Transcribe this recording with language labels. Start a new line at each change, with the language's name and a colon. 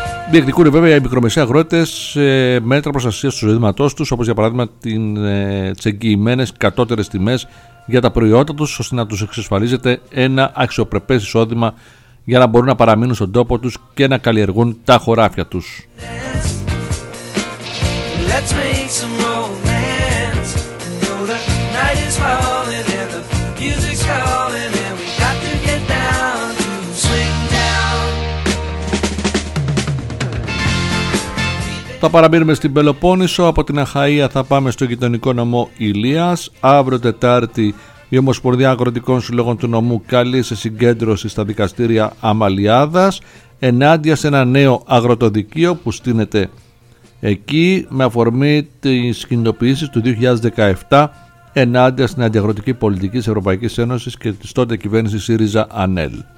Greek: Διεκδικούν βέβαια οι μικρομεσαίοι αγρότες μέτρα προστασίας του ζητήματός τους, όπως για παράδειγμα τις εγγυημένες κατώτερες τιμές για τα προϊόντα τους, ώστε να τους εξασφαλίζεται ένα αξιοπρεπές εισόδημα για να μπορούν να παραμείνουν στον τόπο τους και να καλλιεργούν τα χωράφια τους.
English: Let's make some romance. And though the night is falling and the music's calling, and we got to get down to swing down.
Greek: Θα παραμείνουμε στην Πελοπόννησο. Από την Αχαΐα θα πάμε στο γειτονικό νομό Ηλίας. Αύριο Τετάρτη η Ομοσπονδία Αγροτικών Συλλόγων του Νομού καλεί σε συγκέντρωση στα δικαστήρια Αμαλιάδας ενάντια σε ένα νέο αγροτοδικείο που στείνεται εκεί με αφορμή τις κινητοποιήσεις του 2017 ενάντια στην αντιαγροτική πολιτική της Ευρωπαϊκής Ένωσης και της τότε κυβέρνησης ΣΥΡΙΖΑ ΑΝΕΛ.